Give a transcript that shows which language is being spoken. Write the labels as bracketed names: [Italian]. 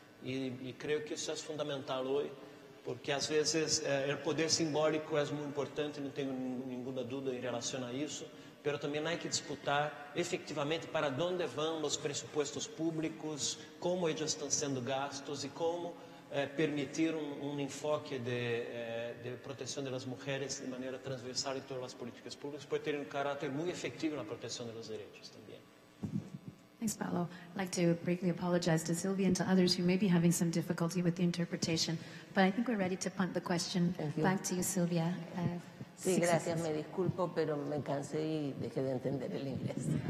[Spanish] Y creo que eso es fundamental hoy, porque a veces el poder simbólico es muy importante, no tengo ninguna duda en relación a eso, pero también hay que disputar efectivamente para dónde van los presupuestos públicos, cómo ellos están siendo gastos y cómo permitir un enfoque de protección de las mujeres de manera transversal en todas las políticas públicas puede tener un carácter muy efectivo en la protección de los derechos también. [English] Thanks, Paulo. I'd like to briefly apologize to Sylvia and to others who may be having some difficulty with the interpretation, but I think we're ready to punt the question back to you, Sylvia. [Spanish] Sí, gracias. Me disculpo, pero me cansé y dejé de entender el inglés.